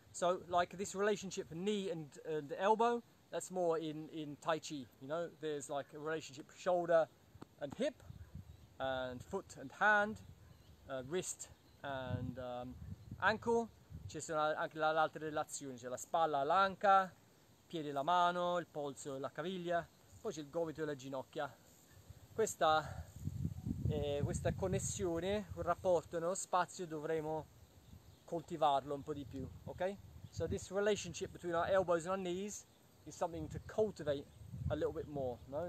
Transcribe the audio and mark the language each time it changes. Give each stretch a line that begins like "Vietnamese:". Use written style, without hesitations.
English: So, like this relationship knee and elbow, that's more in Tai Chi, you know? There's like a relationship shoulder and hip, and foot and hand, wrist and ankle.
Italian: Ci sono anche le altre relazioni, c'è la spalla, l'anca, piede e la mano, il polso e la caviglia, poi c'è il gomito e la ginocchia. Questa connessione, un rapporto nello spazio, dovremo coltivarlo un po' di più, ok?
English: So this relationship between our elbows and our knees is something to cultivate a little bit more, no?